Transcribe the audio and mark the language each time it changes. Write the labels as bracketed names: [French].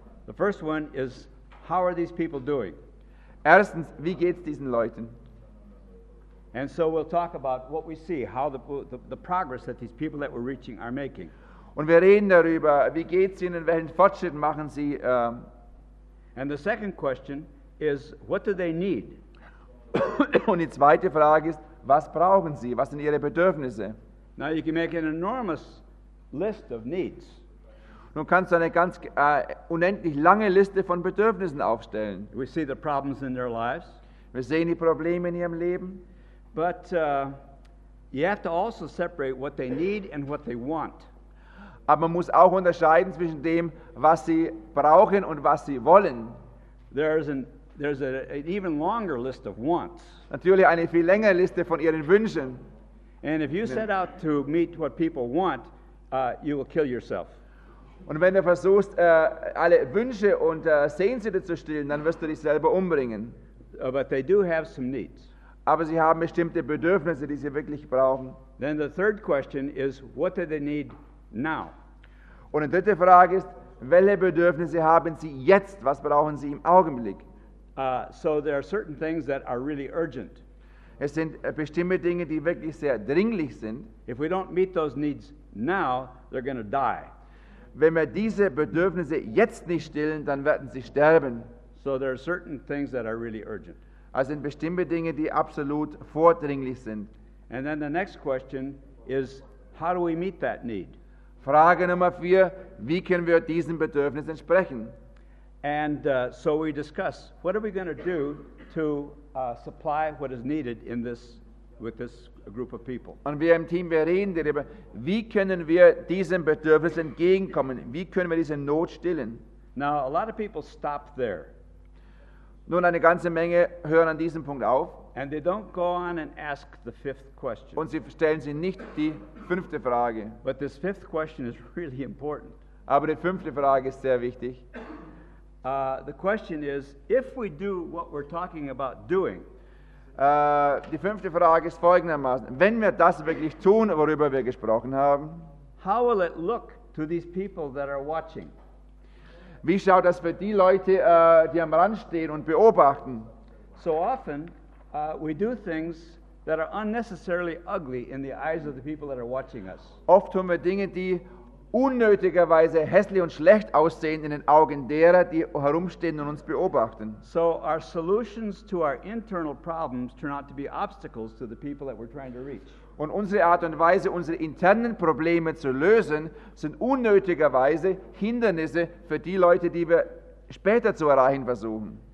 [English] The first one is, how are these people doing? [German] Erstens, wie geht's diesen Leuten? [English] And so we'll talk about what we see, how the progress that these people that we're reaching are making. [German] Und wir reden darüber, wie geht's ihnen, welchen Fortschritt machen sie. [English] And the second question is, what do they need? [German] Und die zweite Frage ist, was brauchen sie? Was sind ihre Bedürfnisse? [English] Now you can make an enormous list of needs. [German] Nun kannst du eine ganz unendlich lange Liste von Bedürfnissen aufstellen. [English] We see the problems in their lives. [German] Wir sehen die Probleme in ihrem Leben. [English] But You have to also separate what they need and what they want. [German] Aber man muss auch unterscheiden zwischen dem, was sie brauchen und was sie wollen. [English] There's an even longer list of wants. [German] Natürlich eine viel längere Liste von ihren Wünschen. [English] And if you set out to meet what people want, you will kill yourself. [German] Und wenn du versuchst, alle Wünsche und Sehnsüchte zu stillen, dann wirst du dich selber umbringen. [English] But they do have some needs. [German] Aber sie haben bestimmte Bedürfnisse, die sie wirklich brauchen. [English] Then the third question is, what do they need now? [German] Und die dritte Frage ist, welche Bedürfnisse haben sie jetzt? Was brauchen sie im Augenblick? [English] So there are certain things that are really urgent. [German] Es sind bestimmte Dinge, die wirklich sehr dringlich sind. [English] If we don't meet those needs now, they're going to die. [German] Wenn wir diese Bedürfnisse jetzt nicht stillen, dann werden sie sterben. [English] So there are certain things that are really urgent. [German] Es sind bestimmte Dinge, die absolut vordringlich sind. [English] And then the next question is, how do we meet that need? [German] Frage Nummer 4, wie können wir diesen Bedürfnissen entsprechen? [English] And so we discuss, what are we going to do to supply what is needed in this with this group of people. [German] Und wir im Team, wir reden darüber, wie können wir diesem Bedürfnis entgegenkommen? Wie können wir diese Not stillen? [English] Now, a lot of people stop there. [German] Nun, eine ganze Menge hören an diesem Punkt auf. [English] And they don't go on and ask the fifth question. [German] Und sie stellen sich nicht die fünfte Frage. [English] But this fifth question is really important. [German] Aber die fünfte Frage ist sehr wichtig. [English] The question is, if we do what we're talking about doing, [German] die fünfte Frage ist folgendermaßen, wenn wir das wirklich tun, worüber wir gesprochen haben, [English] how will it look to these people that are watching? [German] Wie schaut das für die Leute, die am Rand stehen und beobachten? [English] So often, we do things that are unnecessarily ugly in the eyes of the people that are watching us. [German] Oft tun wir Dinge, die unnötigerweise hässlich und schlecht aussehen in den Augen derer, die herumstehen und uns beobachten. [English] So our solutions to our internal problems turn out to be obstacles to the people that we're trying to reach. [German] Und unsere Art und Weise, unsere internen Probleme zu lösen, sind unnötigerweise Hindernisse für die Leute, die wir später zu erreichen versuchen.